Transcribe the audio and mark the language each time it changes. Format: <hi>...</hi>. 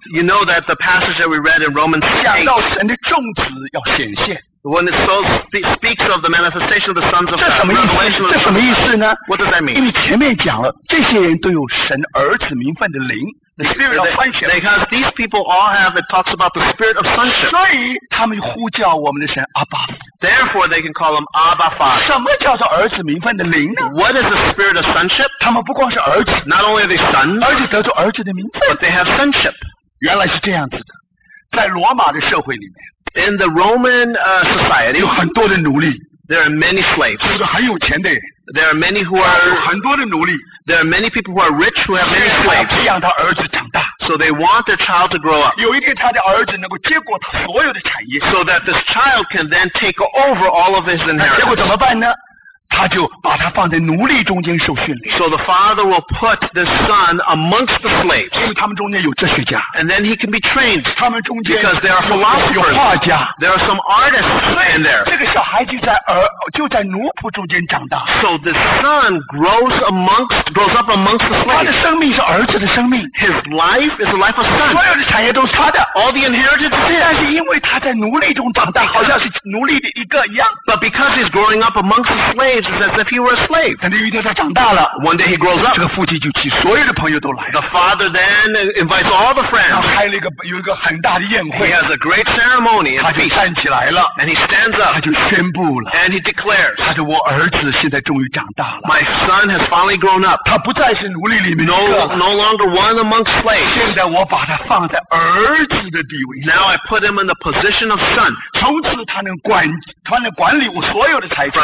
<en>You know that the passage that we read in Romans 8.</en> <zh>讲到神的种子要显现。</zh> <en>When it so speaks of the manifestation of the sons of God,</en> <zh>这什么意思？</zh> <en>Revelation of the sons of God,</en> <zh>这什么意思呢？</zh> <en>What does that mean?</en> <zh>因为前面讲了，这些人都有神儿子名分的灵。</zh> <en>The spirit of sonship. Because these people all have, it talks about the spirit of sonship.</en> <zh>所以他们呼叫我们的神阿爸。</zh> <en>Therefore, they can call him Abba Father.</en> <zh>什么叫做儿子名分的灵呢？</zh> <en>What is the spirit of sonship?</en> <zh>他们不光是儿子。</zh> <en>Not only are they sons.</en> <zh>而且得着儿子的名分。</zh> <en>But they have sonship.</en> <zh>原来是这样子的。在罗马的社会里面。</zh> <en>In the Roman society,</en> <zh>有很多的奴隶。</zh> <en>There are many slaves.</en> <zh>是不是很有钱的？</zh> <en>There are many who are</en> <zh>有很多的奴隶。</zh> <en>There are many people who are rich who have many slaves.</en> <zh>培养他儿子长大。</zh> <en>So they want their child to grow up.</en> <zh>有一天他的儿子能够接过他所有的产业。</zh> <en>So that this child can then take over all of his inheritance.</en> <zh>那结果怎么办呢？他他就把他放在奴隶中间受训练。</zh> <en>So the father will put the son amongst the slaves.</en> <zh>因为他们中间有哲学家。</zh> <en>And then he can be trained.</en> <zh>他们中间</zh> <en>because there are philosophers.</en> <zh>有画家。</zh> <en>There are some artists in there.</en> <zh>这个小孩就在奴仆中间长大。</zh> <en>So the son grows up amongst the slaves.</en> <zh>他的生命是儿子的生命。</zh> <en>His life is the life of son.</en> <zh>所有的产业都是他的。</zh> <en>All the inheritance is his.</en> <zh>但是因为他在奴隶中长大，好像是奴隶的一个一样。</zh> <en>But because he's growing up amongst the slaves, it's as if he were a slave.</en> <zh>等到有一天他长大了</zh> <en>，One day he grows up.</en> <zh>这个父亲就替所有的朋友都来。</zh> <en>The father then invites all the friends.</en> <zh>然后开了一个有一个很大的宴会。</zh> <en>He has a great ceremony.</en> <zh>他就站起来了。</zh> <en>And he stands up.</en> <zh>他就宣布了。</zh> <en>And he declares.</en> <zh>他说我儿子现在终于长大了。</zh> <en>My son has finally grown up.</en> <zh>他不再是奴隶里面的</zh> <en>一个。No longer one amongst slaves.</en> <zh>现在我把他放在儿子的地位。</zh> <en>Now I put him in the position of son.</en> <zh>从此他能管理我所有的财产。</zh>